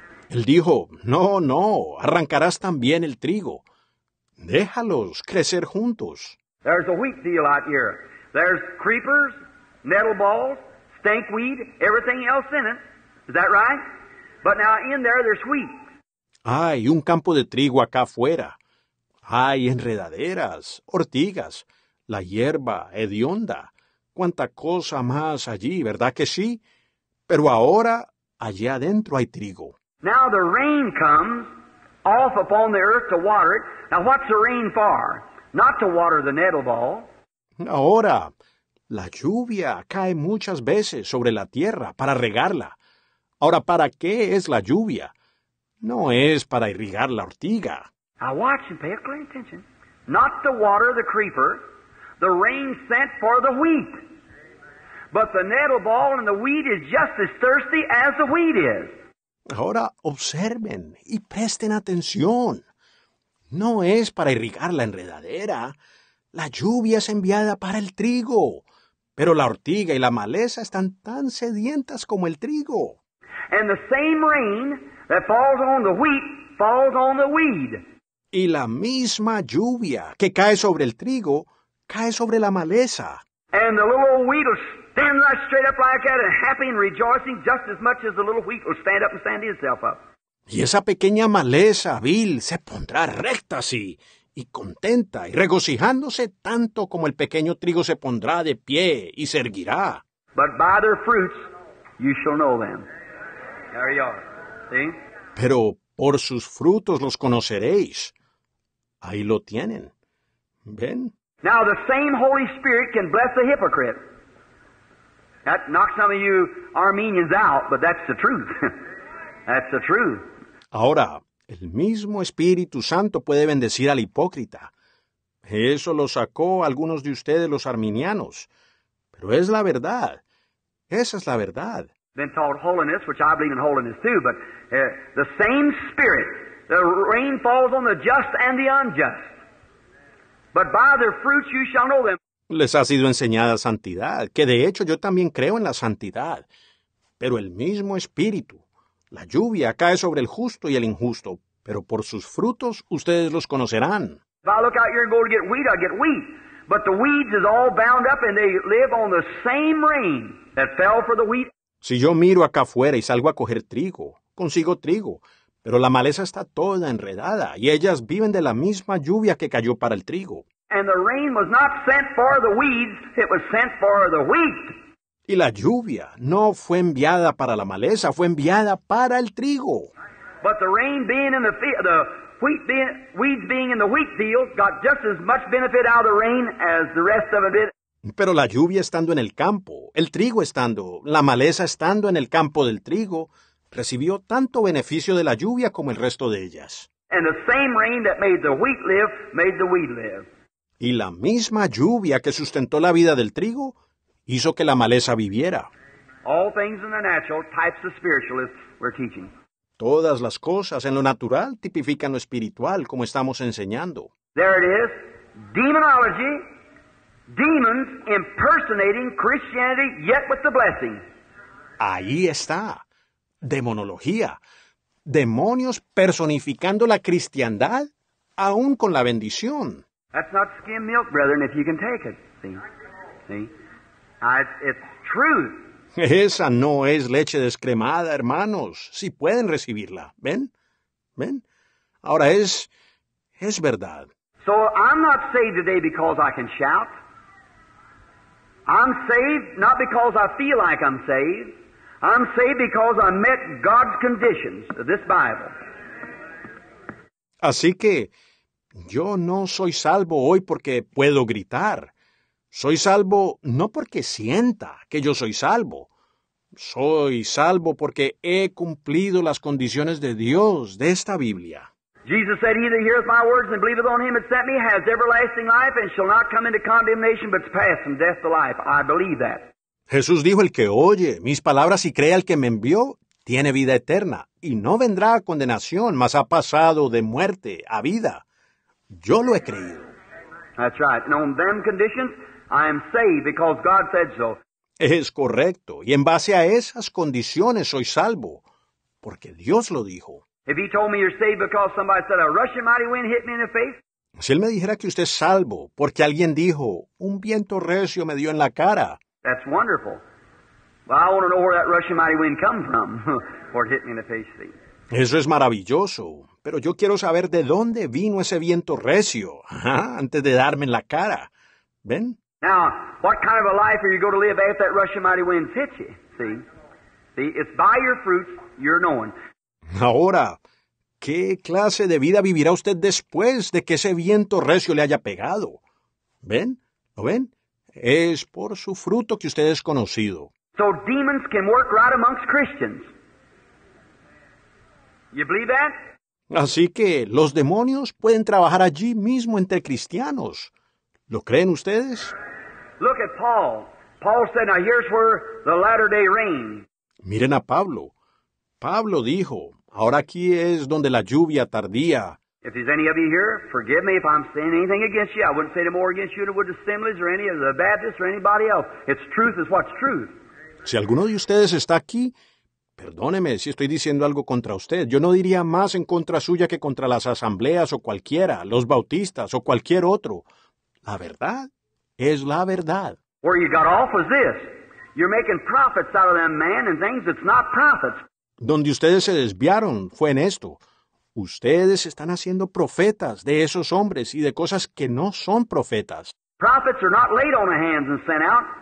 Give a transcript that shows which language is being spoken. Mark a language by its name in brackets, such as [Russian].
[Spanish] Él dijo, no, no, arrancarás también el trigo. Déjalos crecer juntos. [English] There's a wheat field out here. There's creepers, nettle balls, stank weed, everything else in it. Is that right? But now in there, there's wheat. [Spanish] Hay un campo de trigo acá afuera. Hay enredaderas, ortigas, la hierba hedionda. Cuánta cosa más allí, ¿verdad que sí? Pero ahora, allá adentro hay trigo. [English] Now the rain comes off upon the earth to water it. Now what's the rain for? Not to water the nettle ball. [Spanish] Ahora, la lluvia cae muchas veces sobre la tierra para regarla. Ahora, ¿para qué es la lluvia? No es para irrigar la ortiga. [English] Now watch and pay a clear attention. Not to water the creeper, the rain sent for the wheat. But the nettle ball and the wheat is just as thirsty as the wheat is. [Spanish] Ahora, observen y presten atención. No es para irrigar la enredadera. La lluvia es enviada para el trigo. Pero la ortiga y la maleza están tan sedientas como el trigo. [English] And the same rain that falls on the wheat falls on the weed. [Spanish] Y la misma lluvia que cae sobre el trigo cae sobre la maleza. [English] And the little old wheat will stand right straight up like that and happy and rejoicing just as much as the little wheat will stand up and stand itself up. [Spanish] Y esa pequeña maleza vil se pondrá recta así, y contenta, y regocijándose tanto como el pequeño trigo se pondrá de pie y se erguirá. [English] But by their fruits you shall know them. There you are. [Spanish] ¿Sí? Pero por sus frutos los conoceréis. Ahí lo tienen. ¿Ven? [English] Now the same Holy Spirit can bless the hypocrite. That knocks some of you Armenians out, but that's the truth. That's the truth. [Spanish] Ahora, el mismo Espíritu Santo puede bendecir al hipócrita. Eso lo sacó algunos de ustedes, los arminianos. Pero es la verdad. Esa es la verdad. [English] Been taught holiness, which I believe in holiness too, but the same Spirit, the rain falls on the just and the unjust. But by their fruits you shall know them. [Spanish] Les ha sido enseñada santidad, que de hecho yo también creo en la santidad. Pero el mismo Espíritu, la lluvia cae sobre el justo y el injusto, pero por sus frutos ustedes los conocerán. [English] If I look out here and go to get wheat, I get wheat. But the weeds is all bound up and they live on the same rain that fell for the wheat. [Spanish] Si yo miro acá afuera y salgo a coger trigo, consigo trigo, pero la maleza está toda enredada y ellas viven de la misma lluvia que cayó para el trigo. [English] And the rain was not sent for the weeds, it was sent for the wheat. [Spanish] Y la lluvia no fue enviada para la maleza, fue enviada para el trigo. [English] But the rain being in the wheat being, weeds being in the wheat field got just as much benefit out of the rain as the rest of it did. [Spanish] Pero la lluvia estando en el campo, el trigo estando, la maleza estando en el campo del trigo, recibió tanto beneficio de la lluvia como el resto de ellas. [English] And the same rain that made the wheat live made the weed live. [Spanish] Y la misma lluvia que sustentó la vida del trigo hizo que la maleza viviera. [English] All things in the natural types of spiritualists we're teaching. [Spanish] Todas las cosas en lo natural tipifican lo espiritual, como estamos enseñando. [English] There it is. Demonology. Demons impersonating Christianity, yet with the blessing. [Spanish] Ahí está. Demonología. Demonios personificando la cristiandad, aún con la bendición. [English] That's not skim milk, brethren, if you can take it. See? It's truth. [Spanish] Esa no es leche descremada, hermanos. Si pueden recibirla. ¿Ven? ¿Ven? Ahora es verdad. [English] So I'm not saved today because I can shout. I'm saved not because I feel like I'm saved. I'm saved because I met God's conditions of this Bible. [Spanish] Así que yo no soy salvo hoy porque puedo gritar. Soy salvo no porque sienta que yo soy salvo. Soy salvo porque he cumplido las condiciones de Dios de esta Biblia. [English] Jesus said, he that heareth my words and believeth on him that sent me has everlasting life and shall not come into condemnation, but pass from death to life. I believe that. [Spanish] Jesús dijo, el que oye mis palabras y cree al que me envió, tiene vida eterna, y no vendrá a condenación, mas ha pasado de muerte a vida. Yo lo he creído. [English] That's right. And on them conditions, I am saved because God said so. [Spanish] Es correcto. Y en base a esas condiciones soy salvo, porque Dios lo dijo. [English] If he told me you're saved because somebody said a rushing mighty wind hit me in the face. [Spanish] Si él me dijera que usted es salvo porque alguien dijo, un viento recio me dio en la cara. [English] That's wonderful. Well, I want to know where that rushing mighty wind come from or hit me in the face. See? [Spanish] Eso es maravilloso. Pero yo quiero saber de dónde vino ese viento recio antes de darme en la cara. ¿Ven? [English] Now, what kind of a life are you going to live after that rushing mighty wind hits you? See? See, it's by your fruits you're known. [Spanish] Ahora, ¿qué clase de vida vivirá usted después de que ese viento recio le haya pegado? ¿Ven? ¿Lo ven? Es por su fruto que usted es conocido. [English] So demons can work right amongst Christians. You believe that? [Spanish] Así que los demonios pueden trabajar allí mismo entre cristianos. ¿Lo creen ustedes? [English] Look at Paul. Paul said, now here's where the latter day rain. [Spanish] Miren a Pablo. Pablo dijo, ahora aquí es donde la lluvia tardía. [English] If there's any of you here, forgive me if I'm saying anything against you. I wouldn't say any more against you than with the assemblies or any of the Baptists or anybody else. It's truth is what's truth. [Spanish] Si alguno de ustedes está aquí, perdóneme si estoy diciendo algo contra usted. Yo no diría más en contra suya que contra las asambleas o cualquiera, los bautistas o cualquier otro. La verdad es la verdad. [English] Where you got off was this. You're making profits out of them, man, and things that's not profits. [Spanish] Donde ustedes se desviaron fue en esto. Ustedes están haciendo profetas de esos hombres y de cosas que no son profetas. [English] Prophets are not laid on the hands and sent out.